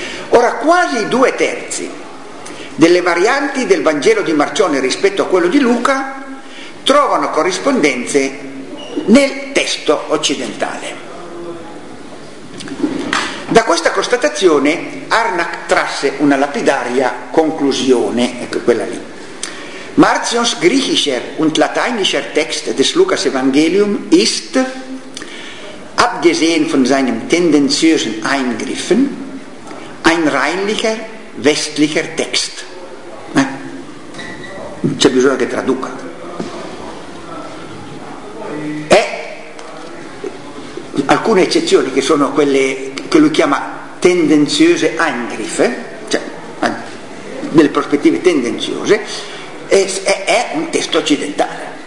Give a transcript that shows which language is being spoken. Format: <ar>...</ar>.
<it>Ora, quasi due terzi delle varianti del Vangelo di Marcione rispetto a quello di Luca trovano corrispondenze nel testo occidentale. Da questa constatazione Arnack trasse una lapidaria conclusione, ecco quella lì.</it> <de>Martions griechischer und lateinischer Text des Lukas Evangelium ist, abgesehen von seinem tendenziösen Eingriffen, ein reinlicher westlicher Text.</de> <it>Non c'è bisogno che traduca. E alcune eccezioni che sono quelle che lui chiama</it> <de>tendenziöse Eingriffe,</de> <it>cioè delle prospettive tendenziose, è un testo occidentale.</it>